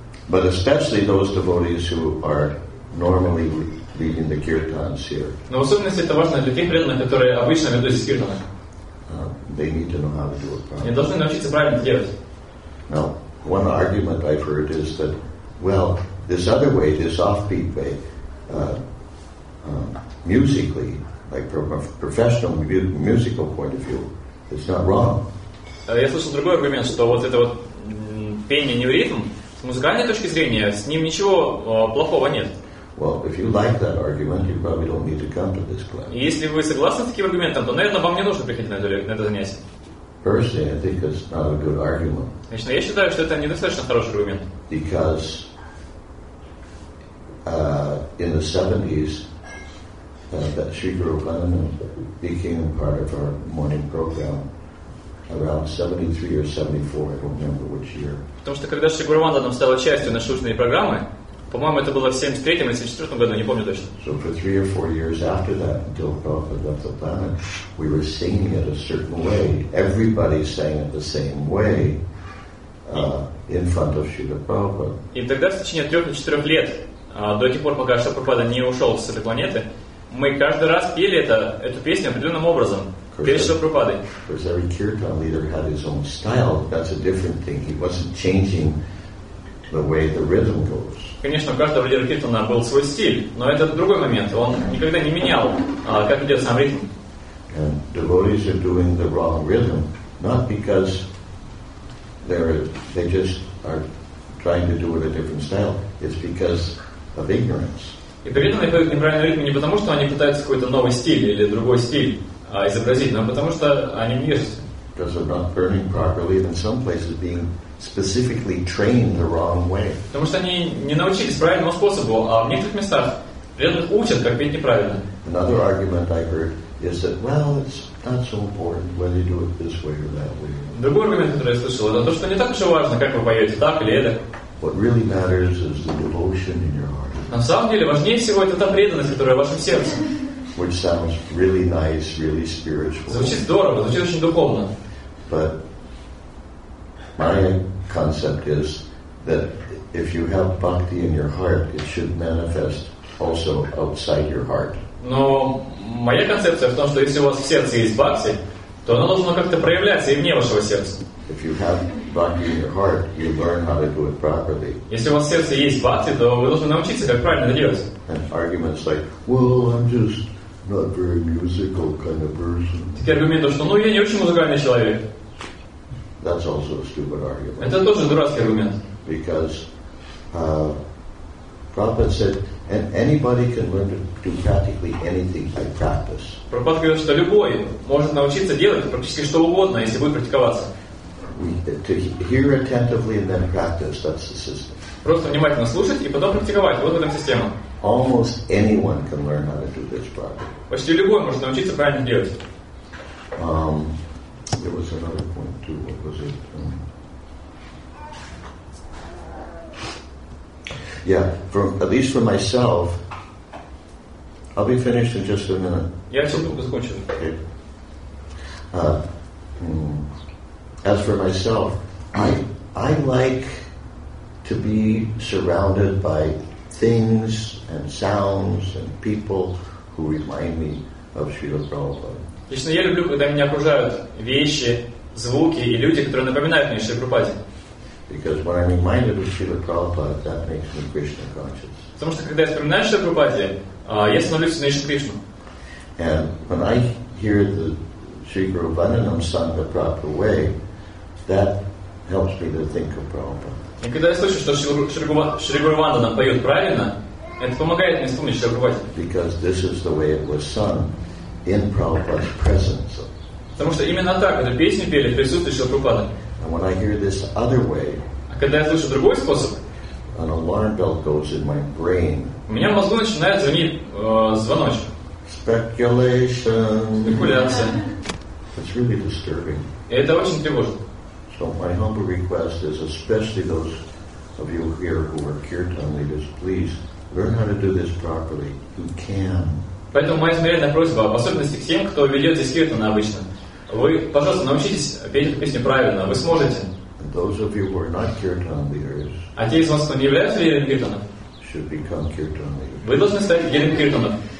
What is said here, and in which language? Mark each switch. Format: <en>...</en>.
<en>But especially those devotees who are normally leading the kirtans here.</en> <ru>Но в особенности это важно для тех преданных, которые обычно ведут здесь киртаны.</ru> <en>They need to know how to do it properly.</en> <ru>Они должны научиться правильно это делать.</ru> <en>Now, one argument I've heard is that, well, this other way, this offbeat way, musically, like from a professional musical point of view, it's not wrong.</en> <ru>Я слышал другой аргумент, что вот это вот пение не ритм, с музыкальной точки зрения, с ним ничего плохого нет.</ru> <en>Well, if you like that argument, you probably don't need to come to this class.</en> <ru>Если вы согласны с таким аргументом, то, наверное, вам не нужно приходить на это занятие.</ru> <en>Personally, I think it's not a good argument.</en> <ru>Лично я считаю, что это недостаточно хороший аргумент.</ru> <en>Because in the 70s, that Sri Prabhupada became part of our morning program. Around 73 or 74, I don't remember which year.</en> <ru>Потому что когда Шри Гурванда нам стала частью нашей учебной программы, по-моему, это было в 73-м или 74-м году, не помню точно.</ru> <en>So for 3 or 4 years after that, until Prabhupada left the planet, we were singing it a certain way. Everybody sang it the same way in front of Shri Prabhupada.</en> <ru>И тогда в течение 3-4 лет, до тех пор, пока Шри Прабхупада не ушел с этой планеты, мы каждый раз пели эту песню определенным образом.</ru> <en>Because every kirtan leader had his own style. That's a different thing. He wasn't changing the way the rhythm goes.</en> <ru>Конечно, у каждого лидера киртана был свой стиль, но это другой момент. Он никогда не менял, как идет сам ритм.</ru> <en>And devotees are doing the wrong rhythm, not because they just are trying to do it a different style. It's because of ignorance.</en> <ru>И преданные поют неправильный ритм не потому, что они пытаются какой-то новый стиль или другой стиль. Изобразить, но потому что они мирские.</ru> <en>Because they're not burning properly, and in some places being specifically trained the wrong way.</en> <ru>Потому что они не научились правильному способу, а в некоторых местах преданных учат, как петь неправильно.</ru> <en>Another argument I heard is that, well, it's not so important whether you do it this way or that way.</en> <ru>Другой аргумент, который я слышал, это то, что не так уж и важно, как вы поете, так или это.</ru> <en>What really matters is the devotion in your heart.</en> <ru>На самом деле важнее всего это та преданность, которая в вашем сердце.</ru> <en>Which sounds really nice, really spiritual.</en> <ru>Звучит здорово, звучит очень духовно.</ru> <en>But my concept is that if you have bhakti in your heart, it should manifest also outside your heart.</en> <ru>Но моя концепция в том, что если у вас в сердце есть бхакти, то оно должно как-то проявляться и вне вашего сердца.</ru> <en>If you have bhakti in your heart, you learn how to do it properly.</en> <ru>Если у вас в сердце есть бхакти, то вы должны научиться, как правильно это делать.</ru> <en>And arguments like, well, I'm just not very musical kind of person.</en> <ru>Такие аргументы, что, ну, я не очень музыкальный человек.</ru> <en>That's also a stupid argument.</en> <ru>Это тоже дурацкий аргумент.</ru> <en>Because Prabhupada said, and anybody can learn to do practically anything by practice.</en> <ru>Прабхупада говорит, что любой может научиться делать практически что угодно, если будет практиковаться.</ru> <en>To hear attentively and then practice, that's the system.</en> <ru>Просто внимательно слушать и потом практиковать. Вот эта система.</ru> <en>Almost anyone can learn how to do this properly.</en> <ru>Почти любой может научиться правильно делать.</ru> <en>There was another point too. What was it? Yeah, at least for myself, I'll be finished in just a minute.</en> <ru>Я сейчас только закончу.</ru> <en>Okay. As for myself, I like to be surrounded by things and sounds and people who remind me of Srila Prabhupada.</en> <ru>Лично я люблю, когда меня окружают вещи, звуки и люди, которые напоминают мне о Шри Прабхупаде.</ru> <en>Because when I'm reminded of Srila Prabhupada, that makes me Krishna conscious.</en> <ru>Потому что когда я вспоминаю Шри Прабхупаде, я становлюсь Сунейшн Кришну.</ru> <en>And when I hear the Sri Gurubandhanam sung the proper way, that helps me to think of Prabhupada.</en> <ru>И когда я слышу, что Шри Гурванда поет правильно, это помогает мне вспомнить Шри Прабхупаде.</ru> <en>Because this is the way it was sung in Prabhupada's presence.</en> <ru>Потому что именно так эту песню пели в присутствии Шри Прабхупады.</ru> <en>And when I hear this other way,</en> <ru>а когда я слышу другой способ,</ru> <en>an alarm bell goes in my brain.</en> <ru>У меня в мозгу начинает звонить звоночек.</ru> <en>Speculation.</en> <ru>Спекуляция.</ru> <en>It's really disturbing.</en> <ru>И это очень тревожно.</ru> <en>So my humble request is, especially those of you here who are kirtan leaders, please learn how to do this properly. You can.</en> <ru>Поэтому моя смиренная просьба, в особенности к тем, кто ведет здесь киртан обычно, вы, пожалуйста, научитесь петь эту песню правильно. Вы сможете.</ru> <en>And those of you who are not kirtan leaders,</en> <ru>а те из вас, кто не являются лидерами киртана,</ru> <en>should become kirtan leaders.</en> <ru>Вы должны стать лидерами киртана.</ru>